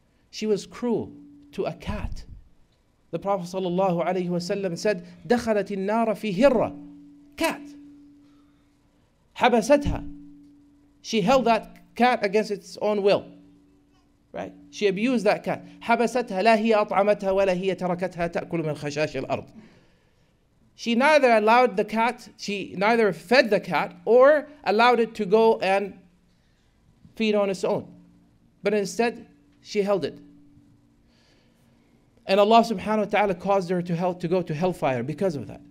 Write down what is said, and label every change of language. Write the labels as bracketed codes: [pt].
[en] She was cruel to a cat. The Prophet sallallahu alaihi wasallam said, [ar] "دخلت النار في هرة," [en] cat. [ar] حبستها, [en] she held that cat against its own will. Right? She abused that cat. [ar] حبستها لا هي أطعمتها ولا هي تركتها تأكل من خشاش الأرض. [en] She neither allowed the cat, she neither fed the cat or allowed it to go and feed on its own. But instead, she held it. And Allah subhanahu wa ta'ala caused her to go to hellfire because of that.